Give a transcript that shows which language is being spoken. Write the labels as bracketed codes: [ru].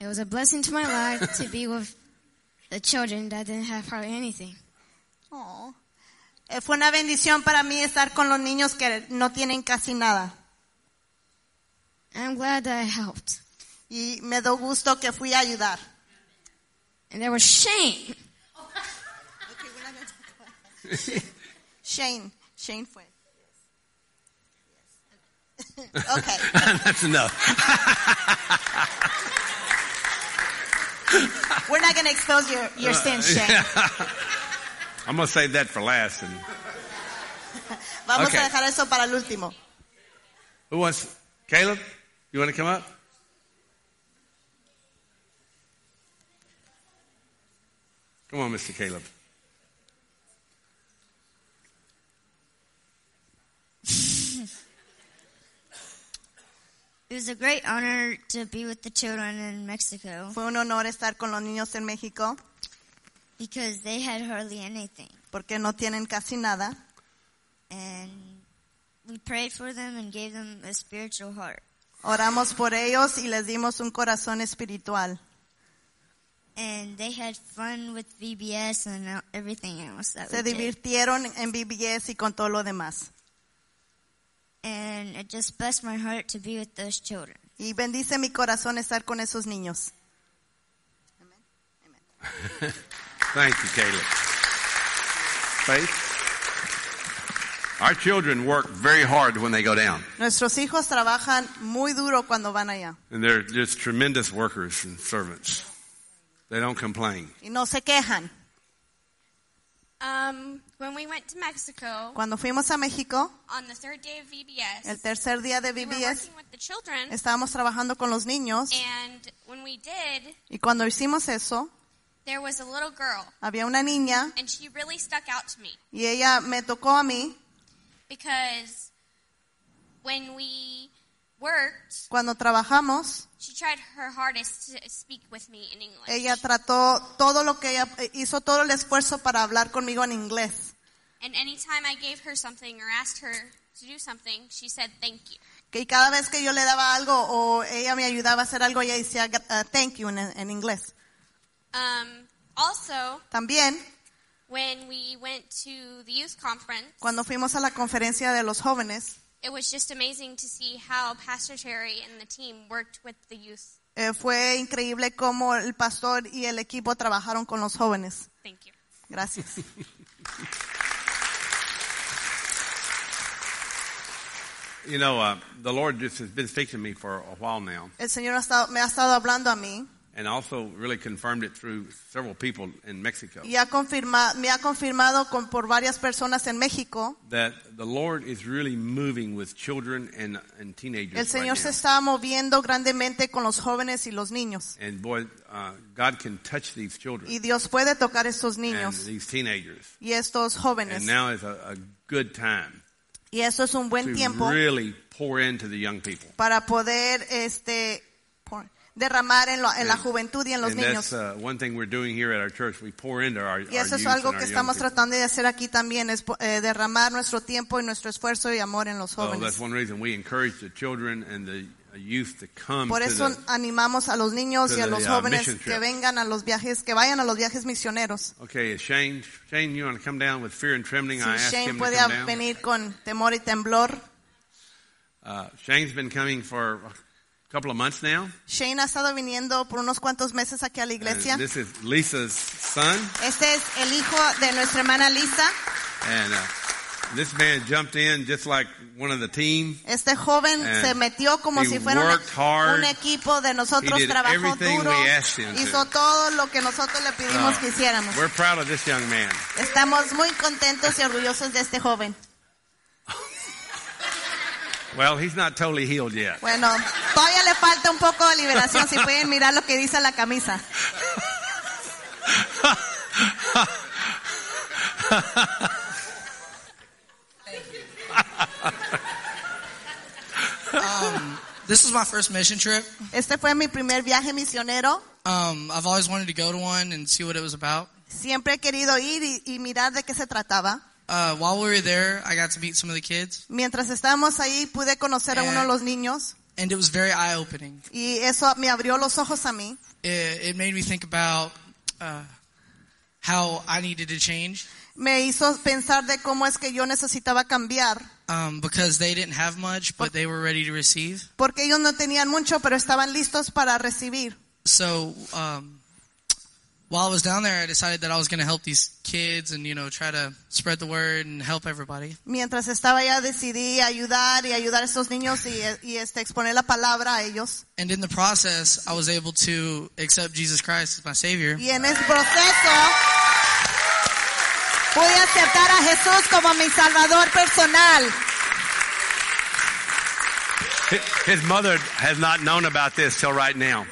[en] It was a blessing to my life to be with the children that didn't have hardly anything. Aww. [es] Fue una bendición para mí estar con los niños que no tienen casi nada. [en] I'm glad that I helped. [es] Y me dio gusto que fui a ayudar. [en] And there was shame. Okay, we're not going to talk about that. [es] Shane fue. [en] Yes. Okay. That's enough. We're not going to expose your sin, Shane. Yeah. I'm going to save that for last. And... [es] Vamos okay. a dejar eso para el último. [en] Who wants? Caleb, you want to come up? Come on, Mr. Caleb. It was a great honor to be with the children in Mexico. [es] Fue un honor estar con los niños en México. [en] Because they had hardly anything. [es] Porque no tienen casi nada. [en] And we prayed for them and gave them a spiritual heart. [es] Oramos por ellos y les dimos un corazón espiritual. [en] And they had fun with VBS and everything else that [es] Se divirtieron en VBS y con todo lo demás. [en] And it just blessed my heart to be with those children. [es] Y bendice mi corazón estar con esos niños. [en] Amen. Amen. Thank you, Caleb. Faith. Our children work very hard when they go down. [es] Nuestros hijos trabajan muy duro cuando van allá. [en] And they're just tremendous workers and servants. They don't complain. [es] Y no se quejan. [en] When we went to Mexico, [es] cuando fuimos a México, [en] on the third day of VBS, [es] el tercer día de VBS, [en] we were working with the children, [es] estábamos trabajando con los niños, [en] and when we did, [es] y cuando hicimos eso, [en] there was a little girl, [es] había una niña, [en] and she really stuck out to me, [es] y ella me tocó a mí, [en] because when we worked, [es] cuando trabajamos, [en] she tried her hardest to speak with me in English. [es] Ella trató todo lo que ella hizo todo el esfuerzo para hablar conmigo en inglés. [en] And any time I gave her something or asked her to do something, she said thank you. [es] Que cada vez que yo le daba algo o ella me ayudaba a hacer algo, ella decía [en] thank you [es] en inglés. [en] Also, [es] también, [en] when we went to the youth conference, [es] cuando fuimos a la conferencia de los jóvenes, [en] it was just amazing to see how Pastor Terry and the team worked with the youth. [es] Fue increíble cómo el pastor y el equipo trabajaron con los jóvenes. [en] Thank you. [es] Gracias. [en] Well, You know, the Lord just has been speaking to me for a while now. [es] El Señor ha estado, me ha estado hablando a mí. [en] And also really confirmed it through several people in Mexico. [es] Y ha confirmado, me ha confirmado con, por varias personas en México. [en] That the Lord is really moving with children and teenagers. [es] El Señor [en] right [es] se está moviendo grandemente con los jóvenes y los niños. [en] And boy, God can touch these children. [es] Y Dios puede tocar estos niños. [en] And these teenagers. [es] Y estos jóvenes. [en] And now is a good time. [es] Y eso es un buen [en] to [es] tiempo [en] really pour into the young people. [es] Para poder este, pour, derramar en, lo, en [en] and, [es] la juventud y en los niños. [en] One thing we're doing here at our church, we pour into our [es] y eso [en] our [es] es algo que estamos tratando de hacer aquí también, es derramar nuestro tiempo y nuestro esfuerzo y amor en los jóvenes. [en] That's one reason we encourage the children and the youth to come. [es] Por eso [en] to the, [es] animamos a los niños y a los jóvenes que vengan a los viajes, que vayan a los viajes misioneros. [en] Okay, Shane, you want to come down with fear and trembling? [es] Si [en] I asked him [es] puede [en] to come down. [es] Venir con temor y temblor. [en] Shane's been coming for a couple of months now. [es] Shane ha estado viniendo por unos cuantos meses aquí a la iglesia. [en] And this is Lisa's son. [es] Este es el hijo de nuestra hermana Lisa. [en] And this man jumped in just like one of the team. [es] Este joven se metió como si fuera un equipo de nosotros. Trabajó duro. [en] He did everything we asked him to. [es] Hizo todo lo que nosotros le pedimos que hiciéramos. [en] We're proud of this young man. [es] Estamos muy contentos y orgullosos de este joven. [en] Well, he's not totally healed yet. [es] Bueno, todavía le falta un poco de liberación. Si pueden mirar lo que dice la camisa. [en] This is my first mission trip. [es] Este fue mi primer viaje misionero. [en] I've always wanted to go to one and see what it was about. [es] Siempre he querido ir y mirar de qué se trataba. [en] While we were there, I got to meet some of the kids. [es] Mientras estábamos ahí, pude conocer a uno de los niños. [en] And it was very eye-opening. [es] Y eso me abrió los ojos a mí. [en] It made me think about how I needed to change. [es] Me hizo pensar de cómo es que yo necesitaba cambiar. [en] Because they didn't have much, but they were ready to receive. [es] Porque ellos no tenían mucho, pero estaban listos para recibir. [en] So, while I was down there, I decided that I was going to help these kids and, you know, try to spread the word and help everybody. [es] Mientras estaba allá, decidí ayudar y ayudar a esos niños y este exponer la palabra a ellos. [en] And in the process, I was able to accept Jesus Christ as my Savior. [es] Y en ese proceso pude aceptar a Jesús como mi salvador personal. [en] His mother has not known about this till right now.